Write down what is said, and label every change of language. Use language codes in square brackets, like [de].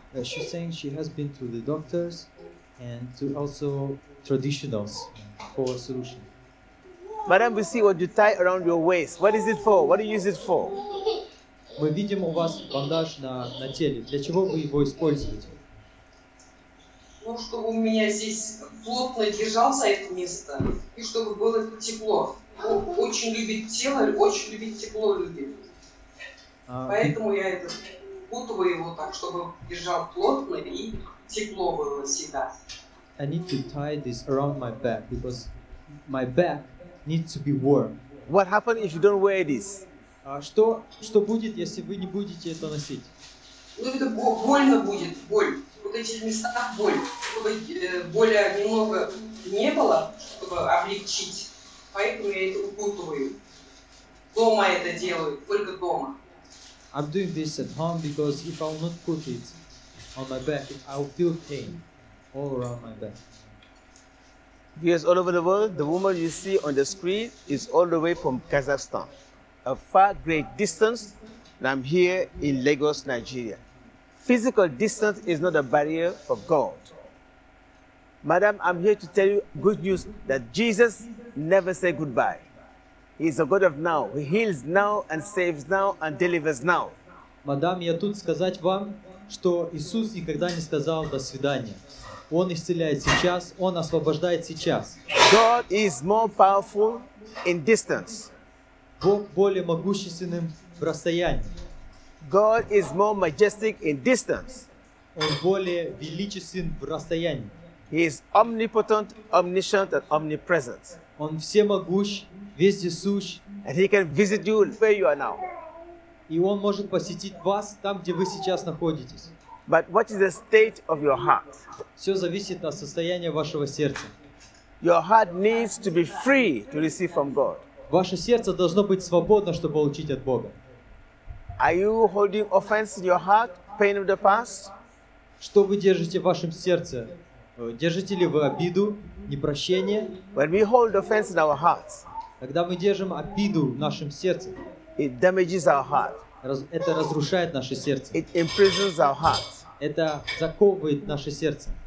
[en] She's saying she has been to the doctors, and to also traditionals for a solution. Madam, we see what you tie around your waist. What is it for? What do you use it for? [ru] Мы видим у вас бандаж на теле. Для чего вы его используете? Ну, чтобы у меня здесь плотно держался это место, и чтобы было тепло. Бог очень любит тело, очень любит тепло любит. Поэтому я это путываю его так, чтобы держал плотно и тепло было всегда. [en] I need to tie this around my back because my back needs to be warm. What happens if you don't wear this? [ru] Что будет, если вы не будете это носить? Ну это больно будет, боль. Вот эти места боль. Чтобы боли немного не было, чтобы облегчить. Поэтому я это укутываю. Дома это делаю, только дома. [en] I'm doing this at home because if I will not put it on my back, I will feel pain all around my back. Viewers all over the world, the woman you see on the screen is all the way from Kazakhstan, a far great distance, and I'm here in Lagos, Nigeria. Physical distance is not a barrier for God. Madam, I'm here to tell you good news that Jesus never said goodbye. He's a God of now. He heals now and saves now and delivers now. [ru] Мадам, я тут сказать вам, что Иисус никогда не сказал до свидания. Он исцеляет сейчас, он освобождает сейчас. [en] God is more powerful in distance. [ru] Бог более могущественным в расстоянии. [en] God is more majestic in distance. [ru] Он более величествен в расстоянии. [en] He is omnipotent, omniscient, and omnipresent. [ru] Он всемогущ, вездесущ. [en] And he can visit you where you are now. [ru] И он может посетить вас там, где вы сейчас находитесь. [en] But what is the state of your heart? [ru] Все зависит от состояния вашего сердца. [en] Your heart needs to be free to receive from God. [ru] Ваше сердце должно быть свободно, чтобы получить от Бога. [en] Are you holding offense in your heart, pain of the past? [ru] Что вы держите в вашем сердце? Держите ли вы обиду, непрощение? [en] When we hold offense in our hearts, [ru] когда мы держим обиду в нашем сердце, [en] it damages our heart. [ru] Это разрушает наше сердце. [en] It imprisons our hearts. [ru] Это заковывает наше сердце.